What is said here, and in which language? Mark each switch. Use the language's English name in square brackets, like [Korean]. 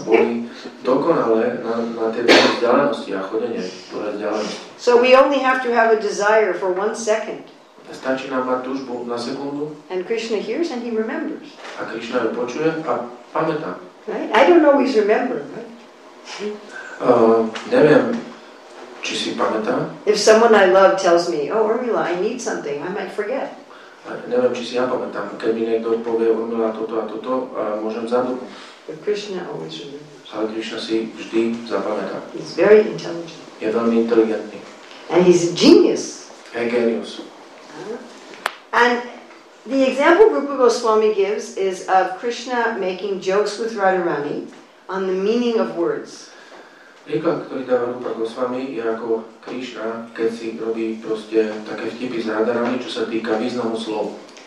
[Slovak] Boli dokonale na tie vzdialenosti a chodenie po vzdialenosti. [English] So we only have to have a desire for one second. [Slovak] Stačí nám mať túžbu na sekundu. [English] And Krishna hears and he remembers. [Slovak] A Krishna ju počuje a pamätá. [English] Right? I don't always remember. [Slovak] Neviem, či si pamätám. [English] If someone I love tells me, oh, Urmila, I need something, I might forget. [Slovak] Neviem, či si ja pamätám. Keď mi niekto povie, Urmila, toto a toto, môžem zabudnúť. [English] But Krishna always remembers. [Slovak] Ale Krishna si vždy zapamätá. [English] He's very intelligent. [Slovak] Je veľmi inteligentný. [English] And he's a genius. [Slovak] Je genius. [English] And the example Rupa Goswami gives is of Krishna making jokes with Radharani on the meaning of words. [Slovak] Príklad, ktorý dáva Rupa Gosvami, je ako Krišna, keď si robí proste také vtipy s nádarami, čo sa týka významu slov.